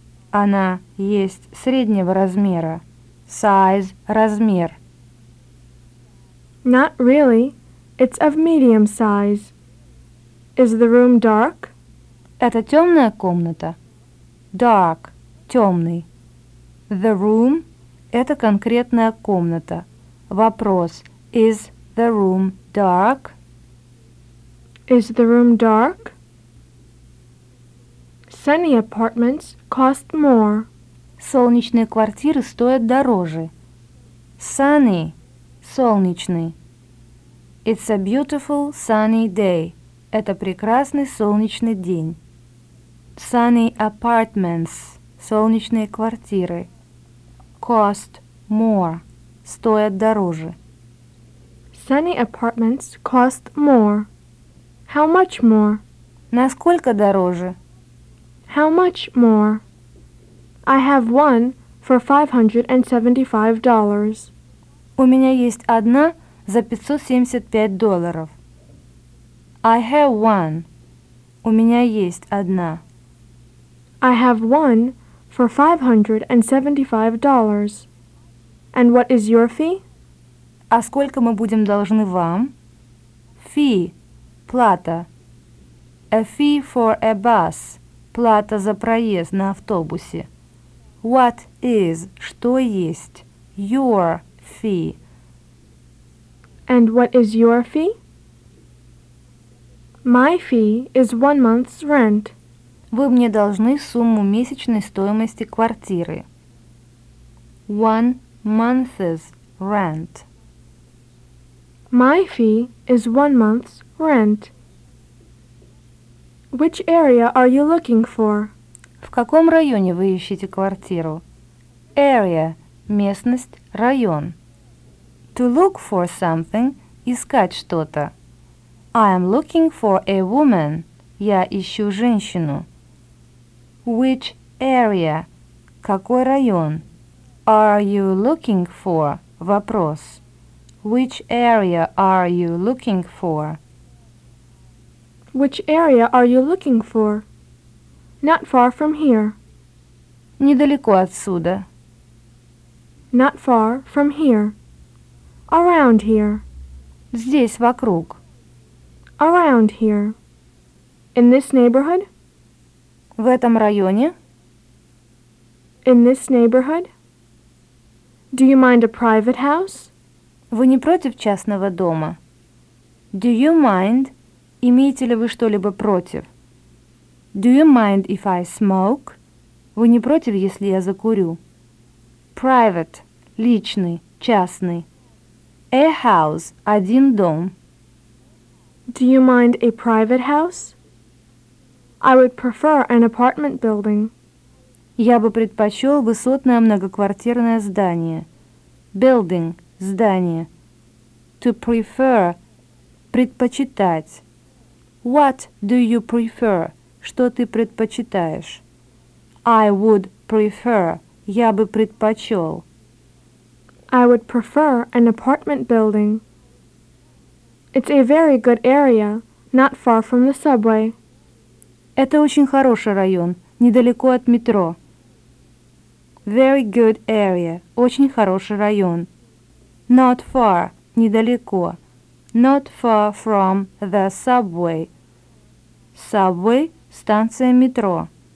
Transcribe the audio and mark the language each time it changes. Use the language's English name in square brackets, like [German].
[Russian] Она есть среднего размера. [English] Size [Russian] – размер. [English] Not really. It's of medium size. Is the room dark? [Russian] Это темная комната. [English] Dark [Russian] – темный. [English] The room [Russian] – это конкретная комната. Вопрос. [English] Is the room dark? Is the room dark? Sunny apartments cost more. [Russian] Солнечные квартиры стоят дороже. [English] Sunny – [Russian] солнечный. [English] It's a beautiful sunny day. [Russian] Это прекрасный солнечный день. [English] Sunny apartments [Russian] – солнечные квартиры. [English] Cost more [Russian] – стоят дороже. [English] Sunny apartments cost more. How much more? [Russian] Насколько дороже? [English] How much more? I have one for $575. [Russian] У меня есть одна за $575. [English] I have one. [Russian] У меня есть одна. [English] I have one for $575. And what is your fee? [Russian] А сколько мы будем должны вам? [English] Fee. [Russian] Плата. [English] A fee for a bus. [Russian] Плата за проезд на автобусе. [English] What is, [Russian] что есть, [English] your fee. And what is your fee? My fee is 1 month's rent. [Russian] Вы мне должны сумму месячной стоимости квартиры. [English] 1 month's rent. My fee is 1 month's rent. Which area are you looking for? [Russian] В каком районе вы ищете квартиру? [English] Area [Russian] – местность, район. [English] To look for something – [Russian] искать что-то. [English] I am looking for a woman. [Russian] Я ищу женщину. [English] Which area? [Russian] Какой район? [English] Are you looking for? [Russian] Вопрос. [English] Which area are you looking for? Which area are you looking for? Not far from here. [Russian] Недалеко отсюда. [English] Not far from here. Around here. [Russian] Здесь вокруг. [English] Around here. In this neighborhood? [Russian] В этом районе? [English] In this neighborhood? Do you mind a private house? [Russian] Вы не против частного дома? [English] Do you mind? [Russian] Имеете ли вы что-либо против? [English] Do you mind if I smoke? [Russian] Вы не против, если я закурю? [English] Private [Russian] – личный, частный. [English] A house [Russian] – один дом. [English] Do you mind a private house? I would prefer an apartment building. [Russian] Я бы предпочел высотное многоквартирное здание. [English] Building – [Russian] здание. [English] To prefer – [Russian] предпочитать. [English] What do you prefer? [Russian] Что ты предпочитаешь? [English] I would prefer. [Russian] Я бы предпочел. [English] I would prefer an apartment building. It's a very good area, not far from the subway. [Russian] Это очень хороший район, недалеко от метро. [English] Very good area. [Russian] Очень хороший район. [English] Not far. [Russian] Недалеко. [English] Not far from the subway. Subway [Russian] – станция метро.